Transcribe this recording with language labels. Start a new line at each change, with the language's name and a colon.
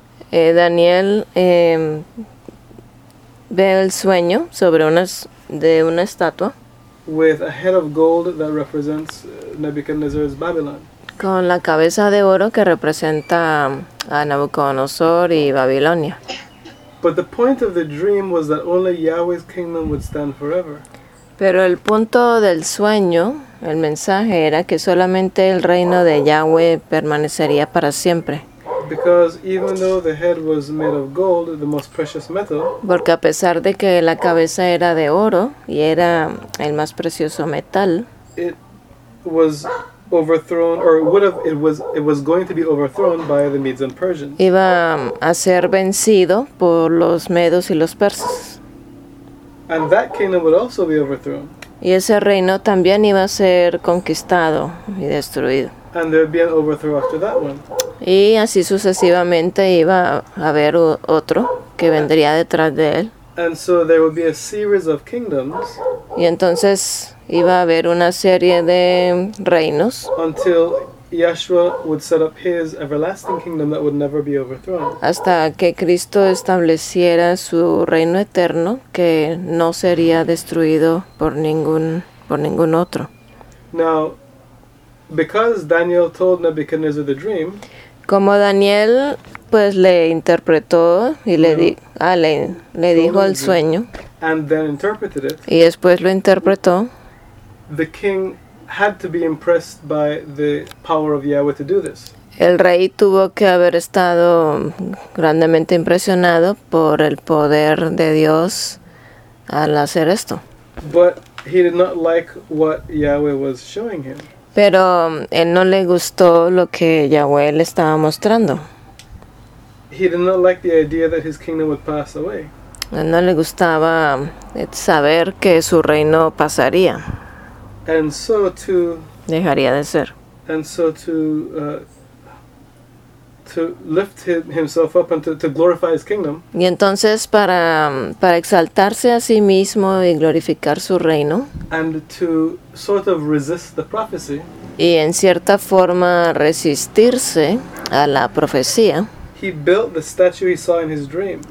Spanish: Daniel ve el sueño sobre una estatua
English: with a head of gold that represents Nebuchadnezzar's Babylon.
Spanish: Con la cabeza de oro que representa a Nabucodonosor y Babilonia.
English: But the point of the dream was that only Yahweh's kingdom would stand forever.
Spanish: Pero el punto del sueño, el mensaje, era que solamente el reino de Yahweh permanecería para siempre.
English: Because even though the head was made of gold, the most precious metal,
Spanish: porque a pesar de que la cabeza era de oro y era el más precioso metal,
English: it was overthrown, or would have, it was going to be overthrown by the Medes and Persians.
Spanish: Iba a ser vencido por los Medos y los Persas.
English: And that kingdom would also be overthrown.
Spanish: Y ese reino también iba a ser conquistado y destruido.
English: And there would be an overthrow after that one.
Spanish: Y así sucesivamente iba a haber otro que vendría detrás de él.
English: And so there would be a series of kingdoms.
Spanish: Y entonces iba a haber una serie de reinos.
English: Until Yeshua would set up his everlasting kingdom that would never be overthrown.
Spanish: Hasta que Cristo estableciera su reino eterno que no sería destruido por ningún otro.
English: Now, because Daniel told Nebuchadnezzar the dream,
Spanish: como Daniel pues le interpretó y le dijo el sueño,
English: and then interpreted it,
Spanish: y después lo interpretó,
English: the king had to be impressed by the power of Yahweh to do this.
Spanish: El rey tuvo que haber estado grandemente impresionado por el poder de Dios al hacer esto.
English: But he did not like what Yahweh was showing him.
Spanish: Pero él no le gustó lo que Yahweh le estaba mostrando.
English: He did not like the idea that his kingdom would pass away.
Spanish: Él no le gustaba saber que su reino pasaría.
English: And so to
Spanish: dejaría de ser.
English: And so to lift himself up and to glorify his kingdom.
Spanish: Y entonces para exaltarse a sí mismo y glorificar su reino.
English: And to sort of resist the prophecy.
Spanish: Y en cierta forma resistirse a la profecía.
English: He built the statue he saw in his dream.